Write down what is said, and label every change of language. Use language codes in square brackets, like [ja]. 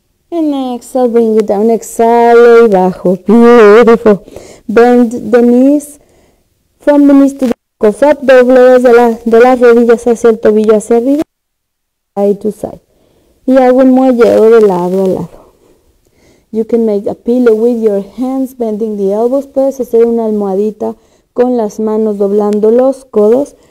[en] And exhale, bring it down, [es] exhalo y bajo. [en] Beautiful. Bend the knees, from the knees to the ankles up, [es] doble desde de las rodillas hacia el tobillo hacia arriba. [en] Side to side. [es] Y hago un muelleo de lado a lado. [en] You can make a pillow with your hands, bending the elbows. [es] Puedes hacer una almohadita con las manos doblando los codos.